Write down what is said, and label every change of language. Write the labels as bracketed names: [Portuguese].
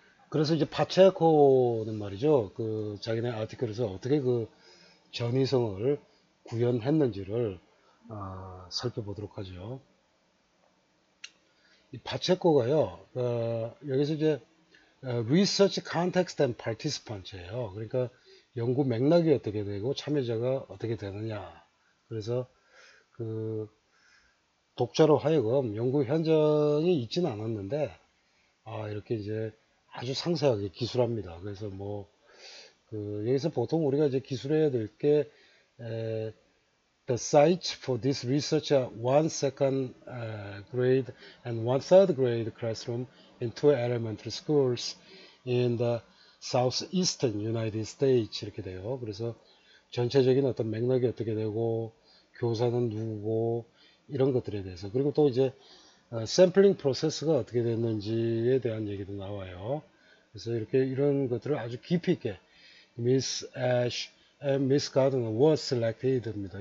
[Korean] 그래서 이제 파체코는 말이죠. 그 자기네 아티클에서 어떻게 그 전위성을 구현했는지를 살펴보도록 하죠. 이 파체코가요. 여기서 이제 Research Context and Participants예요. 그러니까 연구 맥락이 어떻게 되고 참여자가 어떻게 되느냐. 그래서 그 독자로 하여금 연구 현장이 있지는 않았는데 이렇게 이제 아주 상세하게 기술합니다. 그래서 뭐, 여기서 보통 우리가 이제 기술해야 될 게, [English] the site for this research are one second grade and one third grade classroom in two elementary schools in the southeastern United States. [Korean] 이렇게 돼요. 그래서 전체적인 어떤 맥락이 어떻게 되고, 교사는 누구고, 이런 것들에 대해서. 그리고 또 이제, 샘플링 프로세스가 어떻게 됐는지에 대한 얘기도 나와요. 그래서 이렇게 이런 것들을 아주 깊이 있게 [English] 미스 애쉬 앤 미스 가드너 워 셀렉티드입니다.